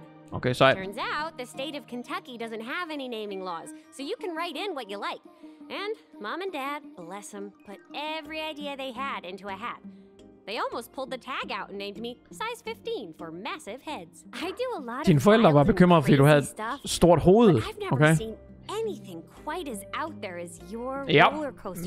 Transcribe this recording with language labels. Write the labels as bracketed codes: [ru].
[en] Okay, så turns out the state of Kentucky doesn't have any naming laws, so you can write in what you like. And mom and dad, bless them, put every idea they had into a hat. They almost pulled the tag out and named me size 15 for massive heads. I do a lot of. [da] Dine forældre var bekymret, fordi du havde stort hoved. [en] Okay. Anything quite as out there as your roller coaster.